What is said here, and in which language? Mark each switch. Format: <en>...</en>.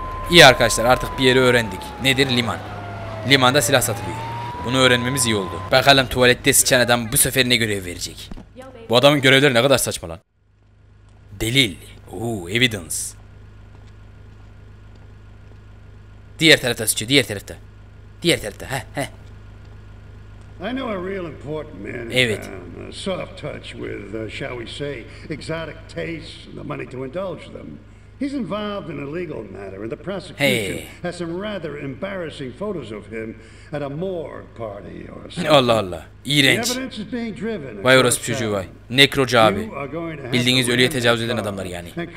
<tr>İyi arkadaşlar, artık bir yeri öğrendik. Nedir? Liman. Limanda silah satılıyor. Bunu öğrenmemiz iyi oldu. Bakalım tuvalette sıçan adam bu sefer ne görev verecek? Bu adamın görevleri ne kadar saçma lan. Delil. Ooo evidence. Diğer tarafta sıçıyor, diğer tarafta. Diğer tarafta, heh heh.</tr> <en>I know a real important man.</en> <tr>Evet.</tr> <en>A soft touch with, shall we say, exotic tastes and the money to indulge them. He's involved in a legal matter and the prosecution has some rather embarrassing photos of him at a morgue party or something.</en> <tr>Allah Allah. İğrenç. Vay orası çocuğu vay. Nekrocu abi. Bildiğiniz ölüye tecavüz eden adamlar yani.</tr>